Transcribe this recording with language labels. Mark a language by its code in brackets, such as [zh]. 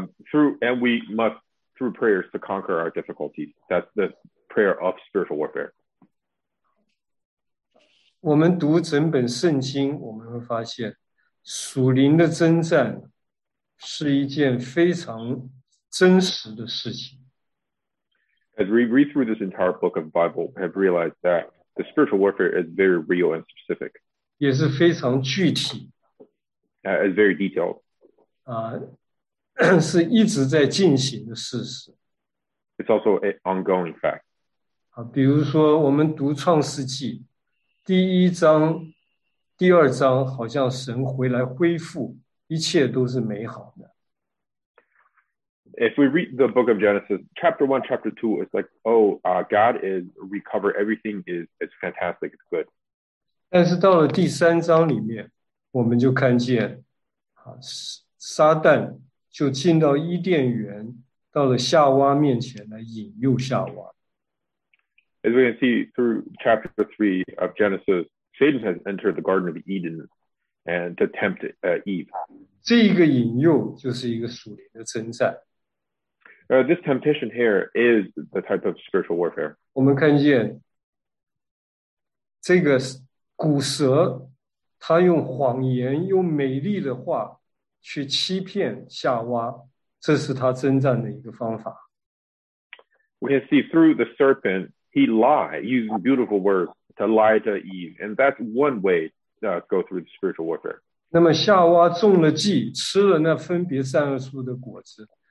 [en] Through prayers to conquer our difficulties. That's the prayer of spiritual warfare. [zh] 我们读整本圣经，我们会发现，属灵的征战是一件非常真实的事情。 [en] As we read through this entire book of the Bible, we have realized that the spiritual warfare is very real and specific. [zh] 也是非常具体。 [en] It's very detailed. [zh] 是一直在进行的事实。 [en] It's also an ongoing fact. [zh] 比如说我们读创世纪，第一章、第二章，好像神回来恢复，一切都是美好的。 [en] If we read the book of Genesis, chapter 1, chapter 2, it's like, oh, God is recover, everything is it's fantastic, it's good. [zh] 但是到了第三章里面，我们就看见，撒旦就进到伊甸园，到了夏娃面前来引诱夏娃。 [en] As we can see through chapter 3 of Genesis, Satan has entered the Garden of Eden and to tempt Eve. [zh] 这一个引诱就是一个属灵的征战。 [en] This temptation here is the type of spiritual warfare. [zh] 我们看见这个古蛇他用谎言用美丽的话去欺骗夏娃，这是他征战的一个方法。 [en] We can see through the serpent, he lied, using beautiful words to lie to Eve. And that's one way to go through the spiritual warfare. [zh] 那么夏娃中了计，吃了那分别善恶树的果子。